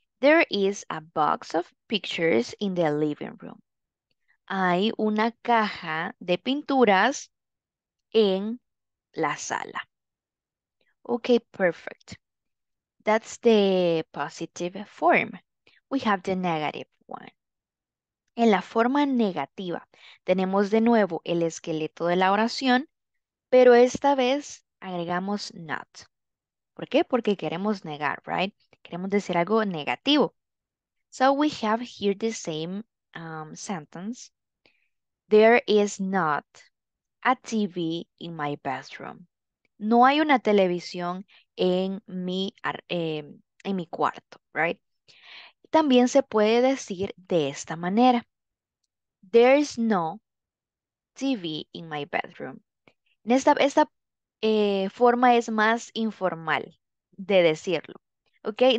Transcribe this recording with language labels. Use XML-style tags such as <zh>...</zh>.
<en>There is a box of pictures in the living room.</en> <es>Hay una caja de pinturas en la sala.</es> <en>Okay, perfect. That's the positive form. We have the negative one.</en> <es>En la forma negativa, tenemos de nuevo el esqueleto de la oración, pero esta vez agregamos not. ¿Por qué? Porque queremos negar, right? Queremos decir algo negativo.</es> <en>So we have here the same sentence. There is not a TV in my bedroom.</en> <es>No hay una televisión en mi cuarto, right? También se puede decir de esta manera.</es> <en>There's no TV in my bedroom.</en> <es>En esta forma es más informal de decirlo, ¿ok?</es>